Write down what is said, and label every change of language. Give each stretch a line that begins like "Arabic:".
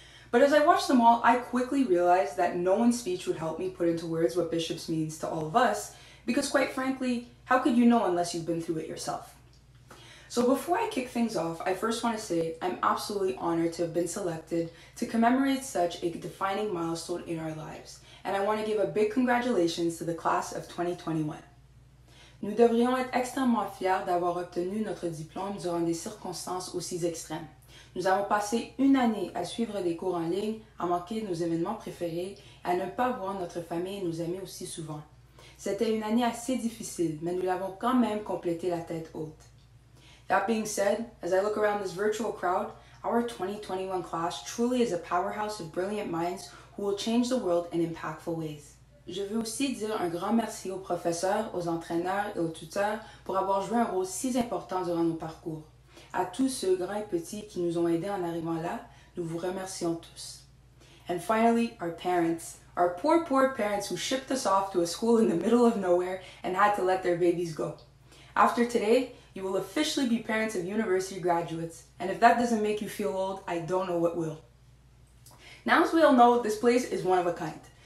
English: But as I watched them all, I quickly realized that no one's speech would help me put into words what bishops means to all of us, because quite frankly, how could you know unless you've been through it yourself? So before I kick things off, I first want to say I'm absolutely honored to have been selected to commemorate such a defining milestone in our lives, and I want to give a big congratulations to the class of 2021.
French: Nous devrions être extrêmement fiers d'avoir obtenu notre diplôme durant des circonstances aussi extrêmes. Nous avons passé une année à suivre des cours en ligne, à manquer nos événements préférés et à ne pas voir notre famille et nos amis aussi souvent. C'était une année assez difficile, mais nous l'avons quand même complétée la tête haute.
English: That being said, as I look around this virtual crowd, our 2021 class truly is a powerhouse of brilliant minds who will change the world in impactful ways.
French: Je veux aussi dire un grand merci aux professeurs, aux entraîneurs et aux tuteurs pour avoir joué un rôle si important durant nos parcours. À tous ceux grands et petits qui nous ont aidés en arrivant là, nous vous remercions tous.
English: And finally, our parents. Our poor, poor parents who shipped us off to a school in the middle of nowhere and had to let their babies go. After today, you will officially be parents of university graduates. And if that doesn't make you feel old, I don't know what will. Now, as we all know, this place is one of a kind.